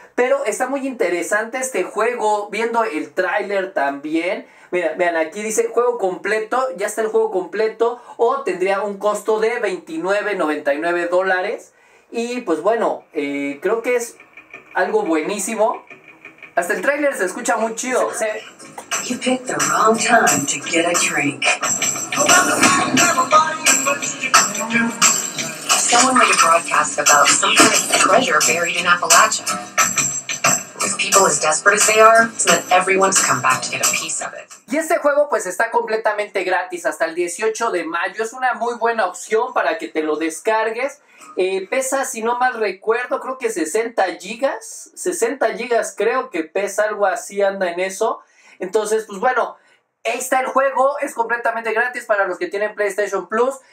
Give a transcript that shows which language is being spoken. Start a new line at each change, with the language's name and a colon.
Spanish: Pero está muy interesante este juego, viendo el tráiler también. Mira, vean, aquí dice juego completo, ya está el juego completo. O tendría un costo de $29.99. Y pues bueno, creo que es algo buenísimo. Hasta el tráiler se escucha muy chido.
English: You picked the wrong time to get a drink. Someone made a broadcast about some kind of treasure buried in Appalachia. With people as desperate as they are, so that everyone's come back to get a piece of it.
Spanish: Y este juego pues está completamente gratis hasta el 18 de mayo. Es una muy buena opción para que te lo descargues. Pesa, si no mal recuerdo, creo que 60 gigas. 60 gigas creo que pesa, algo así anda en eso. Entonces, pues bueno, ahí está el juego. Es completamente gratis para los que tienen PlayStation Plus.